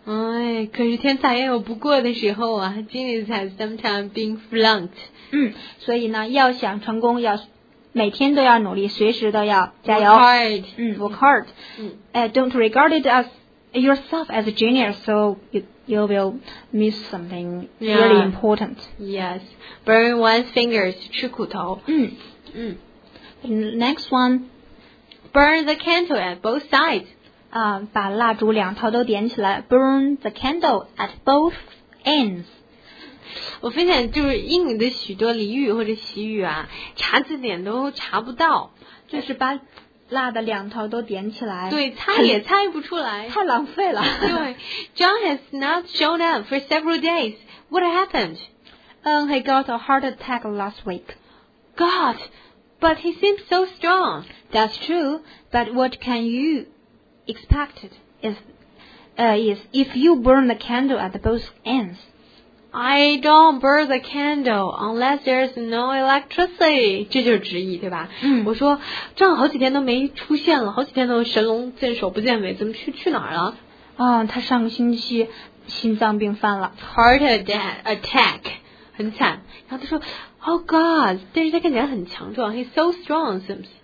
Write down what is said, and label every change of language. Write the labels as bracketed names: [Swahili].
[Chinese] 哎，可是天才也有不过的时候啊。 [English] Genius has sometimes been flunked。 [Chinese] 嗯，所以呢，要想成功，要每天都要努力，随时都要加油。 [English] Work hard. 嗯 ，work hard. 嗯，don't regard it as yourself as a genius, so you will miss something really important. Yes, burn one's fingers, [Chinese] 吃苦头。 [English] 嗯嗯 ，next one, burn the candle at both sides. [Chinese] 啊，把蜡烛两头都点起来 ， [English] burn the candle at both ends. [Chinese] 我分享就是英语的许多俚语或者习语啊，查字典都查不到，就是把蜡的两头都点起来，对，猜也猜不出来，太浪费了。 [English] 对 ，John has not shown up for several days. What happened? He got a heart attack last week. God, but he seems so strong. That's true, but what can you expect if you burn the candle at both ends? I don't burn the candle unless there's no electricity. [Chinese] 这就是直译，对吧？嗯，我说这样好几天都没出现了，好几天都神龙见首不见尾，怎么去哪儿了？哦，他上个星期心脏病犯了，heart attack， 很惨。然后他说 ， [English] Oh God， [Chinese] 但是他看起来很强壮 ， [English] He's so strong seems。